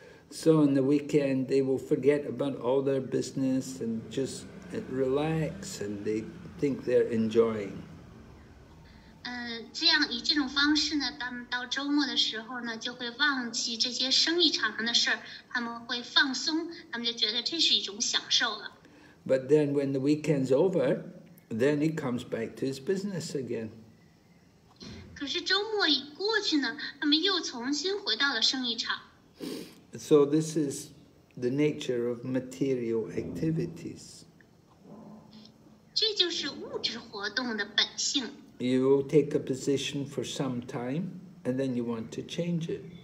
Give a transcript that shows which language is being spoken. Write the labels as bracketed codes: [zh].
[en] So on the weekend, they will forget about all their business and just relax, and they think they're enjoying. [zh] 这样以这种方式呢，他们到周末的时候呢，就会忘记这些生意场上的事儿，他们会放松，他们就觉得这是一种享受了。 [en] But then when the weekend's over, then he comes back to his business again. [zh] 可是周末一过去呢，他们又重新回到了生意场。 [en] So this is the nature of material activities. [zh] 这就是物质活动的本性。 [en] You take a position for some time, and then you want to change it.